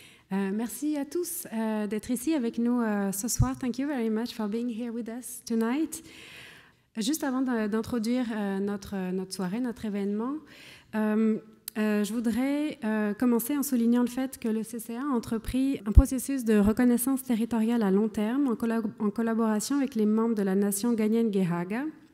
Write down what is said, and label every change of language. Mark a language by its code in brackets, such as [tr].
[fr] Merci à tous d'être ici avec nous ce soir. [en] Thank you very much for being here with us tonight. [fr] Juste avant d'introduire notre soirée, notre événement, je voudrais commencer en soulignant le fait que le CCA a entrepris un processus de reconnaissance territoriale à long terme en collaboration avec les membres de la nation Ganyen-Gehaga.